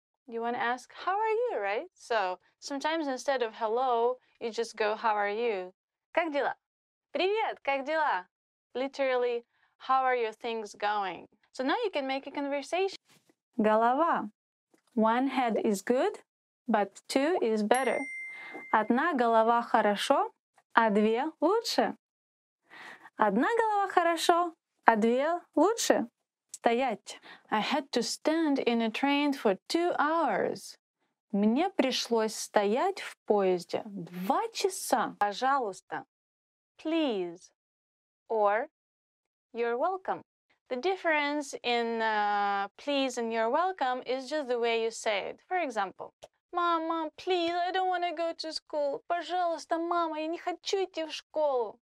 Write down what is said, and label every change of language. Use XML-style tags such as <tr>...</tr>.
<en>You want to ask, how are you, right? So, sometimes instead of hello, you just go, how are you?</en> <ru>Как дела? Привет, как дела?</ru> <en>Literally, how are your things going? So now you can make a conversation.</en> <ru>Голова.</ru> <en>One head is good, but two is better.</en> <ru>Одна голова хорошо, а две лучше. Одна голова хорошо, а две лучше. Стоять.</ru> <en>I had to stand in a train for 2 hours.</en> <ru>Мне пришлось стоять в поезде 2 часа.</ru> <en>Пожалуйста. Please. Or, you're welcome. The difference in please and you're welcome is just the way you say it. For example, Мама, please, I don't want to go to school.</en> <ru>Пожалуйста, мама, я не хочу идти в школу.</ru>